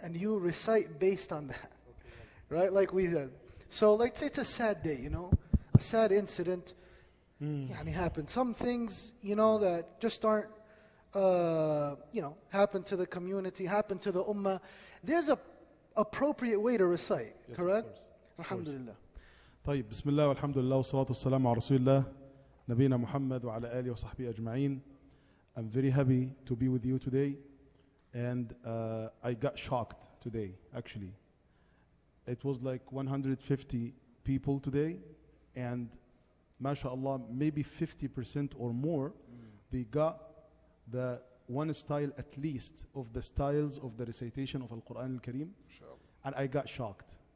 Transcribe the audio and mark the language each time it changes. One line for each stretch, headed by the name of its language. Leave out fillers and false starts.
English: And you recite based on that, okay. Right? Like we said. So let's say it's a sad day, you know? A sad incident, and it happened. Some things, you know, that just aren't, happen to the community, happen to the ummah. There's a appropriate way to recite, yes, correct? Of course. Alhamdulillah.
Arabic: طيب بسم الله والحمد لله والصلاة والسلام على رسول الله نبينا محمد وعلى آله وصحبه أجمعين.
English: I'm very happy to be with you today, and I got shocked today. Actually, it was like 150 people today, and mashallah, maybe 50% or more, they got the one style at least of the styles of the recitation of Al Quran Al Kareem, and I got shocked.